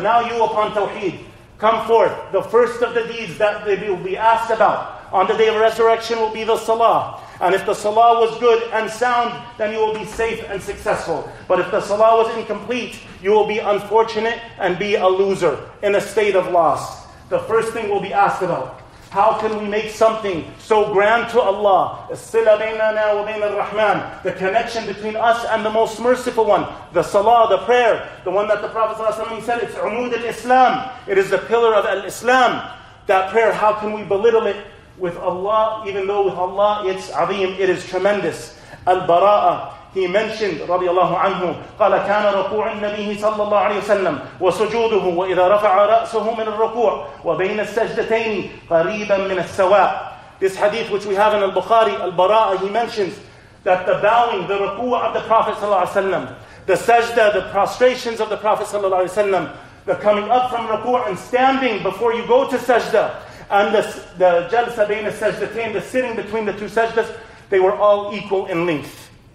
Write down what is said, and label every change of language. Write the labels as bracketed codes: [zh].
[en] Now you upon Tawheed, come forth. The first of the deeds that they will be asked about on the day of resurrection will be the Salah. And if the Salah was good and sound, then you will be safe and successful. But if the Salah was incomplete, you will be unfortunate and be a loser in a state of loss. The first thing will be asked about. How can we make something so grand to Allah? [ar] الصلة بيننا وبين الرحمن. [en] The connection between us and the Most Merciful One. The Salah, the prayer. The one that the Prophet ﷺ said, it's Umud al-Islam. It is the pillar of al-Islam. That prayer, how can we belittle it with Allah? Even though with Allah it's azim, it is tremendous. Al-Bara'a. He mentioned, [ar] رضي الله عنه, قال كان ركوع النبي صلى الله عليه وسلم وسجوده وإذا رفع رأسه من الركوع وبين السجدتين قريبا من السواء. [en] This hadith which we have in al-Bukhari, al-Bara'a, he mentions that the bowing, the ركوع of the Prophet صلى الله عليه وسلم, the sajda, the prostrations of the Prophet صلى الله عليه وسلم, the coming up from ركوع and standing before you go to sajda, and the [ar] جلسة بين السجدتين, [en] the sitting between the two sajdas, they were all equal in length.